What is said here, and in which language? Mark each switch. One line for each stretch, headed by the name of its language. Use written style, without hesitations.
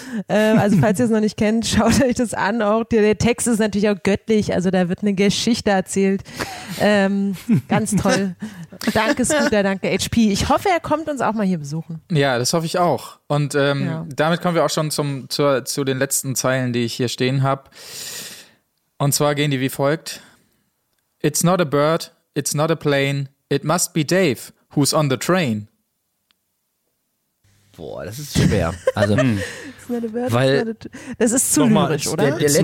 German: Also falls ihr es noch nicht kennt, schaut euch das an. Auch der Text ist natürlich auch göttlich, also da wird eine Geschichte erzählt. Ganz toll. Danke Scooter, danke HP. Ich hoffe, er kommt uns auch mal hier besuchen. Ja, das hoffe ich auch. Und damit kommen wir auch schon zu den letzten Zeilen, die ich hier stehen habe. Und zwar gehen die wie folgt.
English: It's not a bird, it's not a plane, it must be Dave, who's on the train.
German: Boah, das ist schwer. Also,
English: it's not a bird,
German: weil, das ist zu lyrisch, oder?